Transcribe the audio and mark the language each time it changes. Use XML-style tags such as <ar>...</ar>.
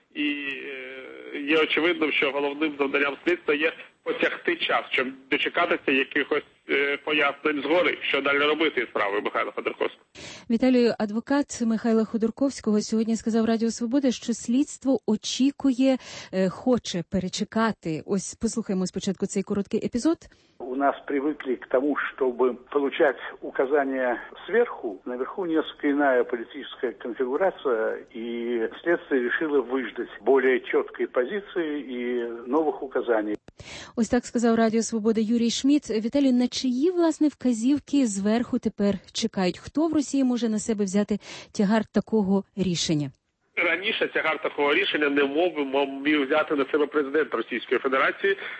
<uk>І є очевидно, що головним завданням слідства є потягти час, щоб дочекатися якихось пояснень згори, що далі робити із справою Михайла Ходорковського. Віталію, адвокат Михайла Ходорковського сьогодні сказав Радіо Свобода, що слідство очікує, хоче перечекати. Ось послухаємо спочатку цей короткий епізод.</uk> <ru>У нас привыкли к тому, чтобы получать указания сверху. Наверху несколько иная политическая конфигурация, и следствие решило выждать более четкой позиции и новых указаний.</ru> <uk>Ось так сказав Радіо Свобода Юрій Шмідт. Віталій, на чиї, власне, вказівки зверху тепер чекають? Хто в Росії може на себе взяти тягар такого рішення? Раніше тягар такого рішення не міг взяти на себе президент Російської Федерації.</uk>